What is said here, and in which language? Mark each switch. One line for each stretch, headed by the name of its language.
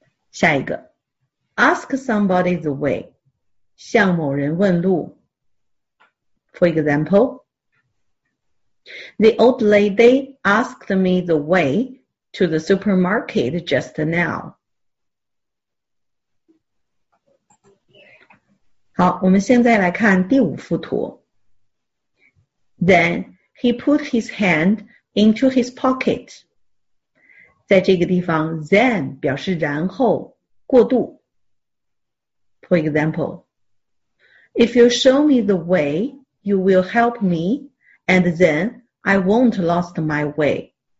Chinese: 下一个
English: ask somebody the way,
Chinese: 向某人问路。
English: For example, the old lady asked me the way to the supermarket just now.
Chinese: 好，我们现在来看第五幅图。
English: Then he put his hand into his pocket.
Chinese: 在这个地方 then 表示然后过渡。
English: For example, if you show me the way, you will help me, and then I won't lost my way.